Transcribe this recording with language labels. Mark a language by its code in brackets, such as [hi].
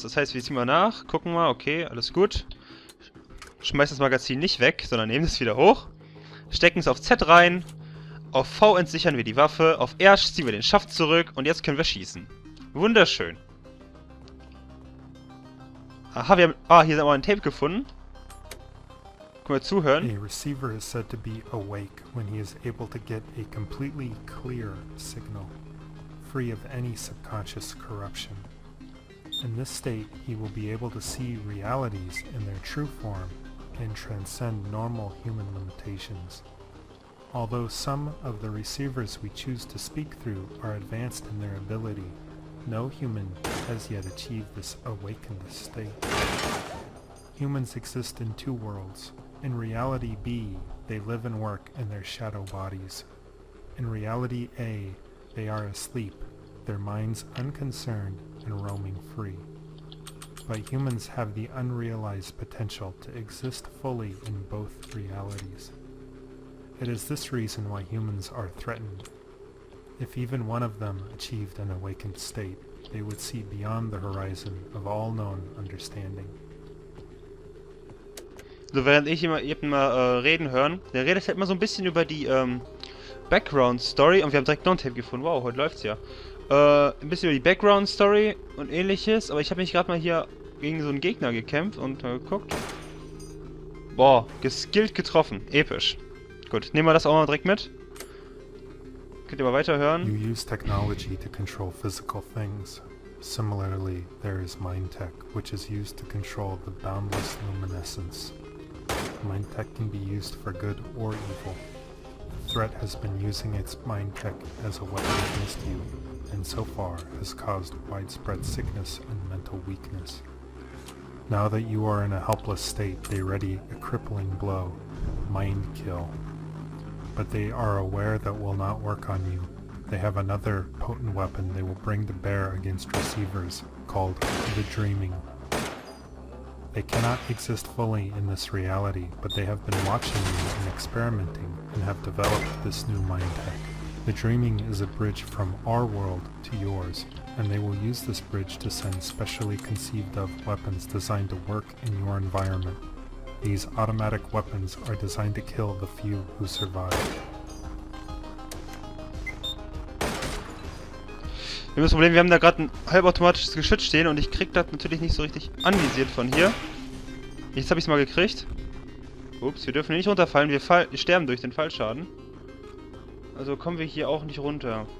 [de] Das heißt, wir ziehen mal nach, gucken mal, okay, alles gut. Schmeißen das Magazin nicht weg, sondern nehmen es wieder hoch. Stecken es auf Z rein. Auf V entsichern wir die Waffe. Auf R ziehen wir den Schaft zurück und jetzt können wir schießen. Wunderschön. Aha, wir haben... Ah, hier haben wir ein Tape gefunden. Können wir zuhören. [en] A receiver is said to be awake when he is able to get a completely clear signal, free of any subconscious corruption. In this state, he will be able to see realities in their true form and transcend normal human limitations. Although some of the receivers we choose to speak through are advanced in their ability, no human has yet achieved this awakened state. Humans exist in two worlds. In reality B, they live and work in their shadow bodies. In reality A, they are asleep, their minds unconcerned and roaming free. But humans have the unrealized potential to exist fully in both realities. It is this reason why humans are threatened. If even one of them achieved an awakened state, they would see beyond the horizon of all known understanding. [de] So, während ich immer eben mal reden hören, der redet halt mal so ein bisschen über die Background Story und wir haben direkt noch ein Tape gefunden. Wow, heute läuft's ja. Ein bisschen über die Background Story und ähnliches, aber ich habe mich gerade mal hier gegen so einen Gegner gekämpft und geguckt. Boah, geskillt getroffen. Episch. Gut, nehmen wir das auch mal direkt mit. Könnt ihr mal weiterhören? [en] You use technology to control physical things. Similarly, there is mind tech, which is used to control the boundless luminescence. Mind tech can be used for good or evil. Threat has been using its mind tech as a weapon against you, and so far has caused widespread sickness and mental weakness. Now that you are in a helpless state, they ready a crippling blow, mind kill. But they are aware that will not work on you. They have another potent weapon they will bring to bear against receivers, called the Dreaming. They cannot exist fully in this reality, but they have been watching you and experimenting and have developed this new mind tech. The Dreaming is a bridge from our world to yours, and they will use this bridge to send specially conceived of weapons designed to work in your environment. These automatic weapons are designed to kill the few who survive. [de] Wir haben das Problem, wir haben da gerade ein halbautomatisches Geschütz stehen und ich krieg das natürlich nicht so richtig anvisiert von hier. Jetzt habe ich es mal gekriegt. Ups, wir dürfen hier nicht runterfallen, wir sterben durch den Fallschaden. Also kommen wir hier auch nicht runter.